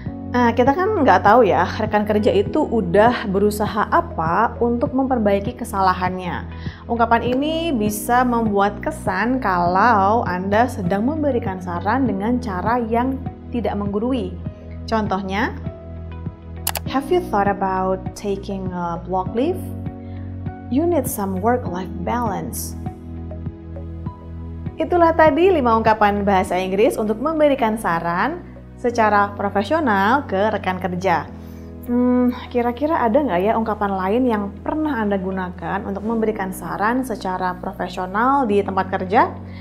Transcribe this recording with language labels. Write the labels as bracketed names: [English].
[Indonesian] Nah, kita kan nggak tahu ya, rekan kerja itu udah berusaha apa untuk memperbaiki kesalahannya. Ungkapan ini bisa membuat kesan kalau Anda sedang memberikan saran dengan cara yang tidak menggurui. Contohnya, [English] have you thought about taking a block leave? You need some work-life balance. [Indonesian] Itulah tadi 5 ungkapan bahasa Inggris untuk memberikan saran secara profesional ke rekan kerja. Kira-kira ada nggak ya ungkapan lain yang pernah Anda gunakan untuk memberikan saran secara profesional di tempat kerja?